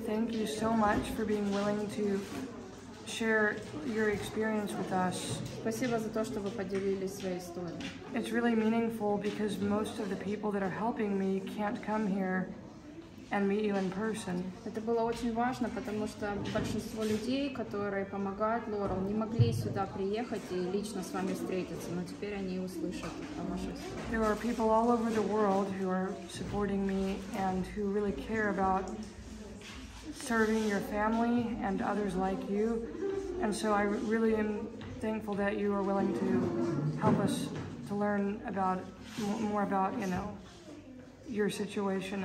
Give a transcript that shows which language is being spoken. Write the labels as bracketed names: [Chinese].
[English] Thank you so much for being willing to share your experience with us. [Russian] Спасибо за то, что вы поделились своей историей. [English] It's really meaningful because most of the people that are helping me can't come here and meet you in person. [Russian] Это было очень важно, потому что большинство людей, которые помогают Лорел, не могли сюда приехать и лично с вами встретиться, но теперь они услышат о вашей истории. [English] There are people all over the world who are supporting me and who really care about serving your family and others like you, and so I really am thankful that you are willing to help us to learn about more about, you know, your situation.